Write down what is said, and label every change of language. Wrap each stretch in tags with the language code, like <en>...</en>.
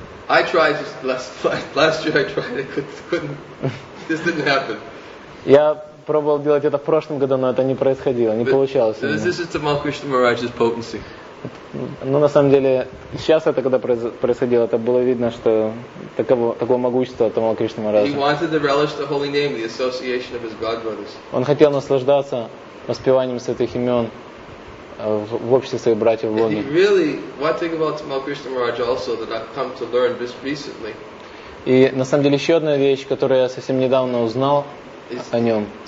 <en>I tried just last year I tried, I couldn't. This didn't happen.</en> <ru>Я пробовал делать это в прошлом году, но это не происходило, не получалось.</ru> <en>This is Tamal Krishna Maharaj's potency.</en> <ru>Но на самом деле, сейчас это когда происходило, это было видно, что такого могущества Тамал Кришна Махараджа.</ru> <en>He wanted to relish the holy name, the association of his God brothers.</en> <ru>Он хотел наслаждаться воспеванием святых имен в обществе своих братьев в Боге.</ru> <en>And he really, one thing about Tamal Krishna Maharaj also that I've come to learn just recently.</en> <ru>И на самом деле еще одна вещь, которую я совсем недавно узнал о нем.</ru>